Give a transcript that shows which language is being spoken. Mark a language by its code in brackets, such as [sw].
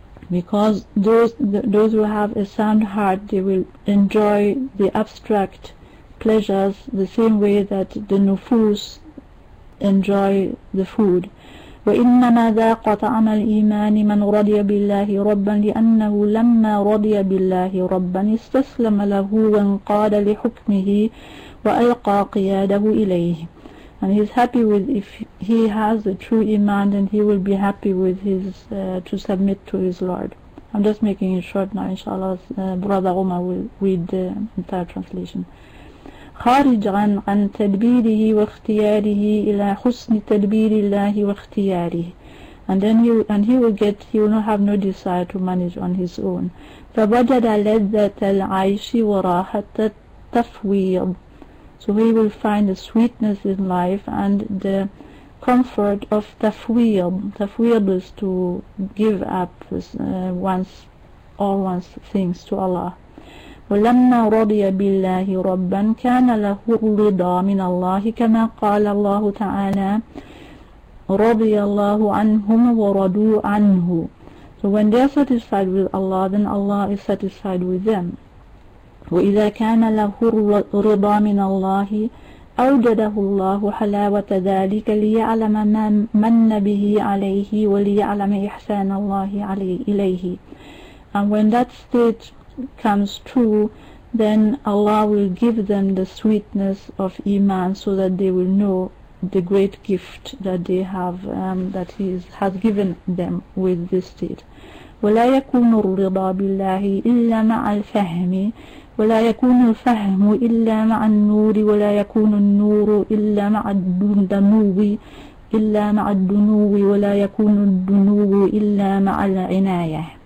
[en] Because those who have a sound heart, they will enjoy the abstract pleasures the same way that the nufus enjoy the food. [ar] وإنما ذاق طعم الإيمان من رضي بالله ربا، لأنه لما رضي بالله ربا استسلم له وانقاد لحكمه وألقى قياده إليه. [en] And he's happy with, if he has a true iman, then he will be happy with his to submit to his Lord. I'm just making it short now, inshallah. Brother Omar will read the entire translation. [ar] خارج عن تدبيره واختياره إلى حسن تدبير الله واختياره. [en] And then he will not have no desire to manage on his own. [ar] فوجد لذة العيش وراحة التفويض. [en] So he will find the sweetness in life and the comfort of تفويض. تفويض is to give up one's things to Allah. [ar] ولما رضي بالله ربا كان له الرضا من الله كما قال الله تعالى رضي الله عنهم ورضوا عنه. [en] So when they are satisfied with Allah, then Allah is satisfied with them. [ar] وإذا كان له الرضا من الله أوجده الله حلاوة ذلك ليعلم ما من به عليه وليعلم إحسان الله إليه. [en] And when that state comes true, then Allah will give them the sweetness of Iman so that they will know the great gift that they have, that He has given them with this state. [ar] وَلَا يَكُونُ الرِّضَى بِاللَّهِ إِلَّا مَعَ الْفَهْمِ وَلَا يَكُونُ الْفَهْمُ إِلَّا مَعَ النُّورِ وَلَا يَكُونُ النُّورُ إِلَّا مَعَ الدُّنُوِّ إِلَّا مَعَ الدُّنُوِّ وَلَا يَكُونُ الدُّنُوِّ إِلَّا مَعَ الْعِنَايَةِ.